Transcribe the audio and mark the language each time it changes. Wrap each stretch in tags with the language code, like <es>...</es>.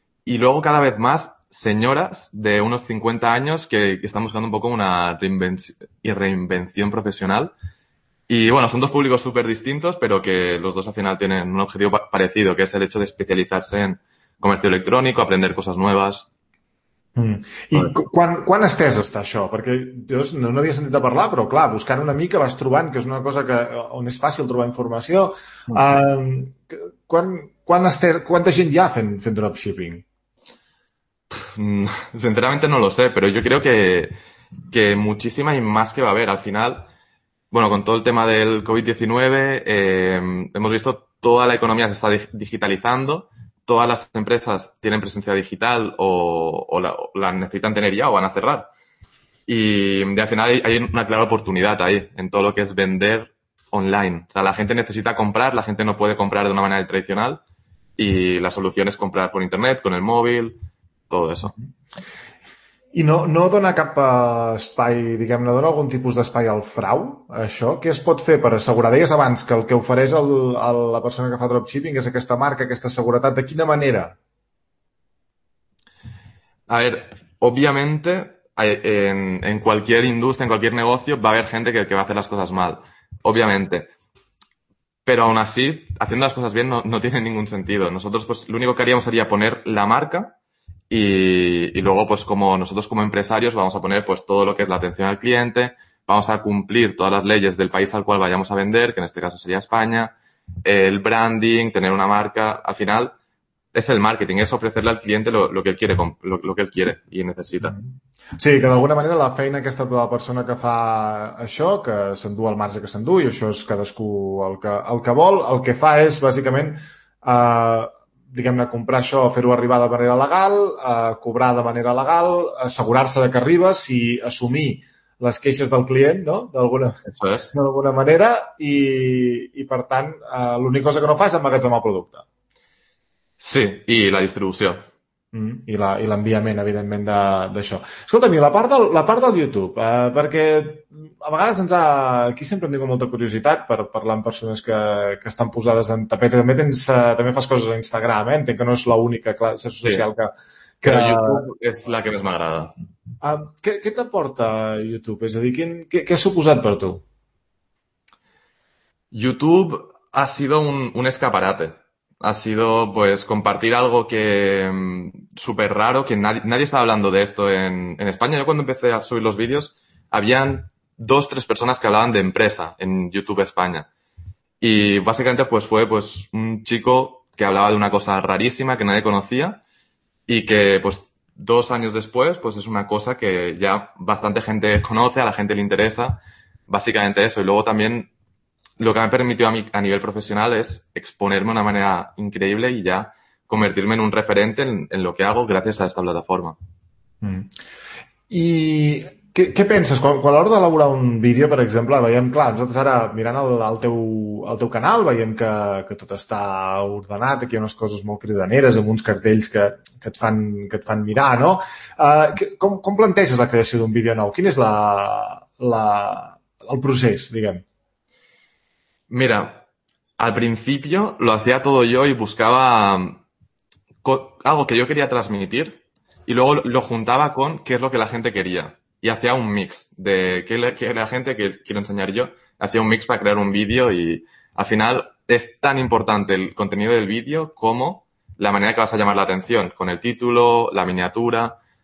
<es>Y luego cada vez más señoras de unos 50 años que están buscando un poco una reinvención profesional. Y bueno, son dos públicos súper distintos, pero que los dos al final tienen un objetivo parecido, que es el hecho de especializarse en comercio electrónico, aprender cosas nuevas.</es> <ca>I quan estès està això? Perquè jo no havia sentit de parlar, però clar, buscant una mica vas trobant que és una cosa que on és fàcil trobar informació. Quanta gent hi ha fent dropshipping?</ca> <es>Sinceramente no lo sé, pero yo creo que muchísima y más que va a haber. Al final, bueno, con todo el tema del COVID-19, hemos visto toda la economía se está digitalizando. Todas las empresas tienen presencia digital o la necesitan tener ya o van a cerrar. Y al final hay una clara oportunidad ahí en todo lo que es vender online. O sea, la gente necesita comprar, la gente no puede comprar de una manera tradicional y la solución es comprar por internet, con el móvil, todo eso.</es> <ca>I no dona cap espai, diguem-ne, dona algun tipus d'espai al frau, això? Què es pot fer per assegurar? Deies abans que el que ofereix la persona que fa dropshipping és aquesta marca, aquesta seguretat. De quina manera?</ca> <es>A ver, obviamente, en cualquier industria, en cualquier negocio, va a haber gente que va a hacer las cosas mal. Obviamente. Pero aún así, haciendo las cosas bien no tiene ningún sentido. Nosotros, pues, lo único que haríamos sería poner la marca. Y luego, pues como nosotros como empresarios vamos a poner pues todo lo que es la atención al cliente, vamos a cumplir todas las leyes del país al cual vayamos a vender, que en este caso sería España, el branding, tener una marca, al final es el marketing, es ofrecerle al cliente lo que él quiere y necesita.</es> <ca>Sí, que d'alguna manera la feina aquesta de la persona que fa això, que s'endú el marge que s'endú, i això és cadascú el que vol, el que fa és bàsicament diguem-ne, comprar això, fer-ho arribar de manera legal, cobrar de manera legal, assegurar-se de que arriba, si assumir les queixes del client, no? D'alguna manera, i per tant, l'única cosa que no fa és emmagatzemar el producte. Sí, i la distribució. I l'enviament, evidentment, d'això. Escolta'm, i la part del YouTube, perquè a vegades aquí sempre em tinc molta curiositat per parlar amb persones que estan posades en tapet. També també fas coses a Instagram, entenc que no és l'única classe social que però YouTube és la que més m'agrada. Què t'aporta YouTube? És a dir, què ha suposat per tu?</ca> <es>YouTube ha sido un escaparate. ha sido pues compartir algo que súper raro, que nadie estaba hablando de esto en España. Yo cuando empecé a subir los vídeos, habían dos, tres personas que hablaban de empresa en YouTube España. Y básicamente pues fue pues un chico que hablaba de una cosa rarísima que nadie conocía y que pues 2 años después pues es una cosa que ya bastante gente conoce, a la gente le interesa, básicamente eso. Y luego también lo que me permitió a mí a nivel profesional es exponerme de una manera increíble y ya convertirme en un referente en lo que hago gracias a esta plataforma.</es> <ca>I què penses? Quan a l'hora d'elaborar un vídeo, per exemple, veiem, clar, nosaltres ara mirant el teu canal veiem que tot està ordenat, aquí hi ha unes coses molt cridaneres, amb uns cartells que et fan mirar, no? Com planteges la creació d'un vídeo nou? Quin és el procés, diguem?</ca> <es>Mira, al principio lo hacía todo yo y buscaba algo que yo quería transmitir y luego lo juntaba con qué es lo que la gente quería y hacía un mix de qué es la gente que quiero enseñar yo, hacía un mix para crear un vídeo y al final es tan importante el contenido del vídeo como la manera que vas a llamar la atención, con el título, la miniatura.</es>